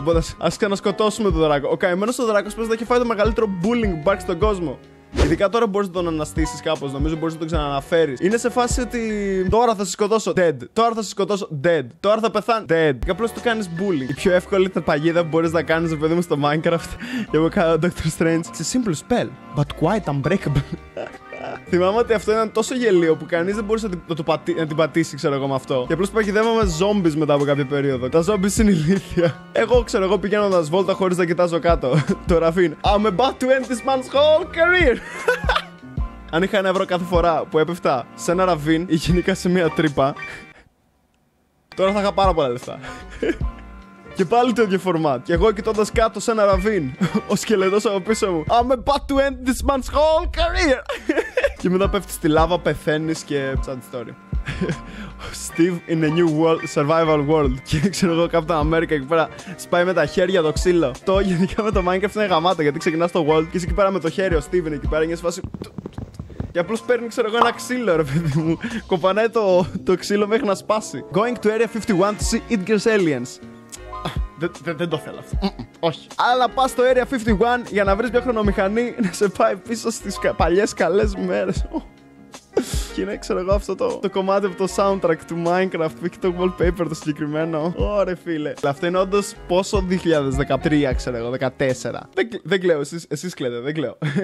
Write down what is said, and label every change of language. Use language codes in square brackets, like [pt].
[el] Οπότε ας ξανασκοτώσουμε τον δράκο. Ο καημένος ο δράκος πρέπει να έχει φάει το μεγαλύτερο bullying bug στον κόσμο. Ειδικά τώρα μπορείς να τον αναστήσεις κάπως, νομίζω μπορείς να τον ξανααναφέρεις. Είναι σε φάση ότι τώρα θα σε σκοτώσω dead, τώρα θα σε σκοτώσω dead, τώρα θα πεθάνει dead. Και απλώς του κάνεις bullying. Η πιο εύκολη τερπαγίδα που μπορείς να κάνεις, παιδί μου, στο Minecraft για να κάνω Doctor Strange. [en] It's a simple spell, but quite unbreakable. [el] Θυμάμαι ότι αυτό ήταν τόσο γελίο που κανείς δεν μπορούσε να την πατήσει, ξέρω εγώ, με αυτό. Και απλώς παγιδεύαμε zombies μετά από κάποια περίοδο. Τα zombies είναι ηλίθια. Εγώ, ξέρω εγώ, πηγαίνοντας βόλτα χωρίς να κοιτάζω κάτω. Το Ραφίν. [en] I'm about to end this man's whole career. [el] Αν είχα ένα ευρώ κάθε φορά που έπεφτα σε ένα Ραφίν ή γενικά σε μια τρύπα, τώρα θα είχα πάρα πολλά λεφτά. Και πάλι το ίδιο format. Και εγώ κοιτώντας κάτω σε ένα ραβίν, ο σκελετός από πίσω μου. [en] I'm about to end this man's whole career. [el] Και μετά πέφτεις στη λάβα, πεθαίνεις και [en] sad story. Steve in a new world, survival world. [el] Και ξέρω εγώ, Captain America εκεί πέρα σπάει με τα χέρια το ξύλο. Το γενικά με το Minecraft είναι γαμάτο, γιατί ξεκινάς το world και είσαι εκεί πέρα με το χέρι ο Steve εκεί πέρα και σφάσει. Και απλώς παίρνει, ξέρω εγώ, ένα ξύλο, ρε παιδί μου. Κοπανάει το ξύλο μέχρι να σπάσει. [en] Going to Area 51 to see Edgar's aliens. [el] Δεν το θέλω αυτό. Όχι. Αλλά πας στο Area 51 για να βρεις μια χρονομηχανή να σε πάει πίσω στις παλιές καλές μέρες. Και είναι, ξέρω εγώ, αυτό το κομμάτι από το soundtrack του Minecraft που έχει το wallpaper το συγκεκριμένο. Ωρε φίλε. Αυτό είναι όντως πόσο 2013, ξέρω εγώ, 14. Δεν κλαίω, εσείς κλαίτε, δεν κλαίω.